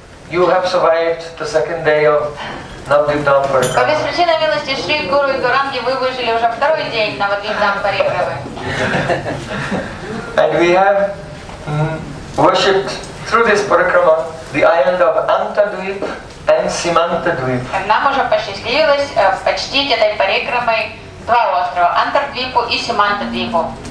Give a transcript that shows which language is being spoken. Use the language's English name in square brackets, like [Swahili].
[English] You have survived the second day of Navadvip Dhampari. [Russian] По беспричинной милости Шри Гуру и Гуранги вы выжили уже второй день Навадвип Дхампари. [English] And we have worshipped through this parikrama the island of Antadvip and Simantadvip. [Russian] Нам уже посчастливилось почтить этой парикрамой два острова, Антадвипу и Симантадвипу.